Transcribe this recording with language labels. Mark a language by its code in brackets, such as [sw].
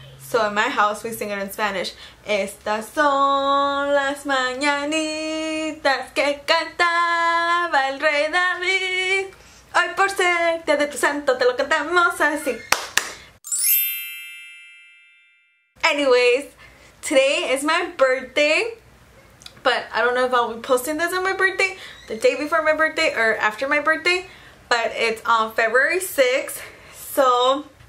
[en] So in my house, we sing it in Spanish. [es] Estas son las mañanitas que cantaba el rey David. Hoy por ser día de tu santo, te lo cantamos así. [en] Anyways, today is my birthday. But I don't know if I'll be posting this on my birthday, the day before my birthday, or after my birthday. But it's on February 6th. So...